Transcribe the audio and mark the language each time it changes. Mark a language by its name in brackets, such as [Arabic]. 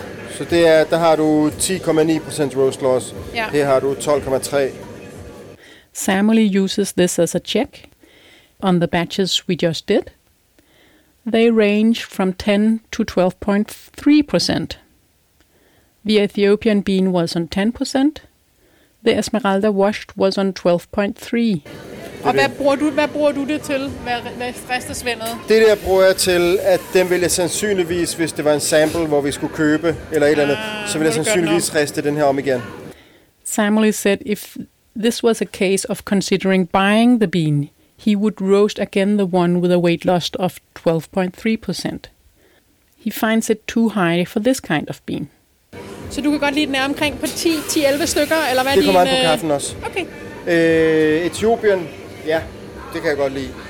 [Danish] Så det er, der har du 10,9% roast loss. Ja. Her har du 12,3. [English] Samuel uses this as a check on the batches we just did. They range from 10 to 12.3%. The Ethiopian bean was on 10%. The Esmeralda washed was on 12.3%. [Danish] Og hvad bruger du det til? Hvad frister svindet? Det der bruger jeg til, at den ville jeg sandsynligvis, hvis det var en sample, hvor vi skulle købe, eller et eller andet, så ville jeg sandsynligvis riste den her om igen. [English] Samuel said if this was a case of considering buying the bean, he would roast again the one with a weight loss of 12.3%. He finds it too high for this kind of bean. [Danish] Så du kan godt lide den er omkring på 10-11 stykker, eller hvad det kommer an på kaffen også. Okay. Etiopien, ja, det kan jeg godt lide.